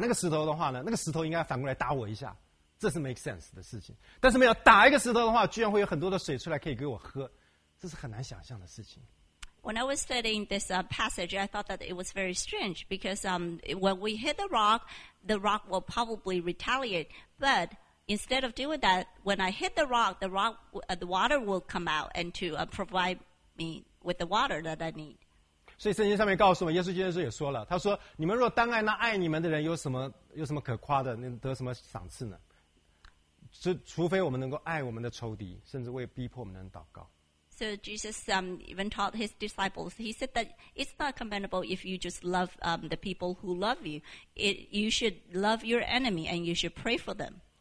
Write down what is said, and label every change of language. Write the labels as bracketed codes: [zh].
[zh] 当我在想到这件事情，我仔细在想的时候，我觉得真的是太奇怪了。我如果打一个石头的话呢，在人的讲法，我打那个石头的话呢，那个石头应该反过来打我一下。这是 [en] make sense [zh] 的事情，但是没有打一个石头的话，居然会有很多的水出来可以给我喝，这是很难想象的事情。 [en] When I was studying this passage, I thought that it was very strange because when we hit the rock will probably retaliate. But instead of doing that, when I hit the rock the water will come out and to provide me with the water that I need. [zh] 所以圣经上面告诉我们，耶稣基督也说了，他说：“你们若单爱那爱你们的人，有什么可夸的？能得什么赏赐呢？” 除非我们能够爱我们的仇敌，甚至为逼迫我们的人祷告。 [en] So Jesus even taught his disciples. He said that it's not commendable if you just love the people who love you. You should love your enemy and you should pray for them.